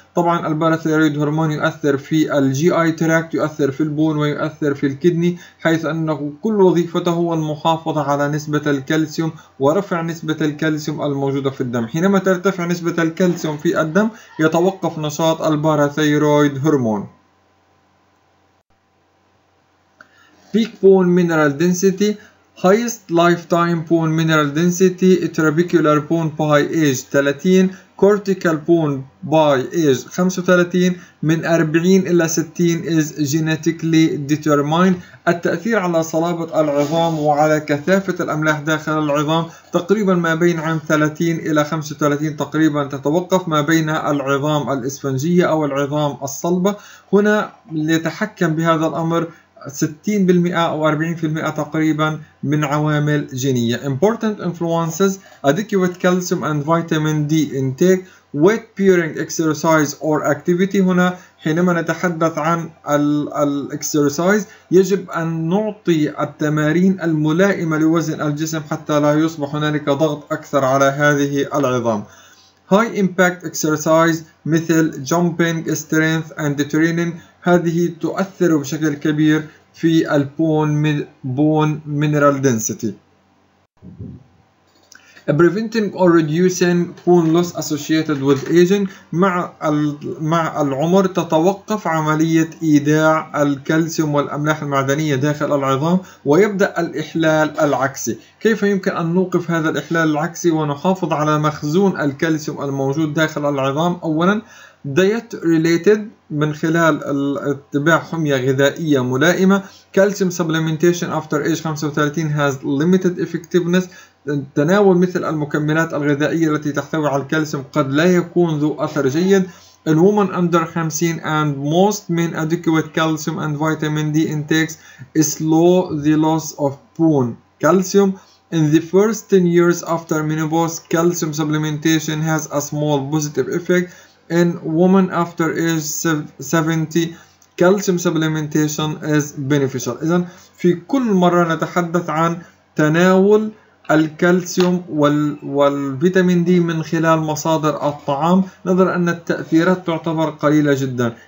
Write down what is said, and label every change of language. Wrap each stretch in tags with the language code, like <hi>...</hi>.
<ar>طبعا الباراثيرويد هرمون يؤثر في الجي اي تراكت يؤثر في البون ويؤثر في الكدني حيث انه كل وظيفته هو المحافظة على نسبة الكالسيوم ورفع نسبة الكالسيوم الموجودة في الدم. حينما ترتفع نسبة الكالسيوم في الدم يتوقف نشاط الباراثيرويد هرمون.</ar> <en>peak bone mineral density Highest lifetime bone mineral density, trabecular bone by age 30, cortical bone by age 35,</en> <ar>من 40 إلى 60</ar> <en>is genetically determined.</en> <ar>التأثير على صلابة العظام وعلى كثافة الأملاح داخل العظام تقريبا ما بين عام 30 إلى 35 تقريبا تتوقف ما بين العظام الإسفنجية أو العظام الصلبة. هنا ليتحكم بهذا الأمر 60% أو 40% تقريبا من عوامل جينية.</ar> <en>Important influences: adequate calcium and vitamin D intake, weight bearing exercise or activity.</en> <ar>هنا حينما نتحدث عن الexercise يجب أن نعطي التمارين الملائمة لوزن الجسم حتى لا يصبح هنالك ضغط أكثر على هذه العظام.</ar> <en>High impact exercise مثل jumping, strength and training.</en> <ar>هذه تؤثر بشكل كبير في البون بون مينرال دنسيتي.</ar> <en>Preventing or reducing bone loss associated with aging.</en> <ar>مع العمر تتوقف عملية إيداع الكالسيوم والأملاح المعدنية داخل العظام ويبدأ الإحلال العكسي. كيف يمكن أن نوقف هذا الإحلال العكسي ونحافظ على مخزون الكالسيوم الموجود داخل العظام؟ أولا diet related من خلال اتباع حمية غذائية ملائمة.</ar> <en>Calcium supplementation after age 35 has limited effectiveness.</en> <ar>تناول مثل المكملات الغذائية التي تحتوي على الكالسيوم قد لا يكون ذو أثر جيد.</ar> <en>In women under 50 and most men adequate calcium and vitamin D intakes slow the loss of bone calcium. In the first 10 years after menopause, calcium supplementation has a small positive effect. In women after age 70, calcium supplementation is beneficial.</en> <ar>إذن في كل مرة نتحدث عن تناول الكالسيوم والفيتامين دي من خلال مصادر الطعام نظرا أن التأثيرات تعتبر قليلة جدا.</ar>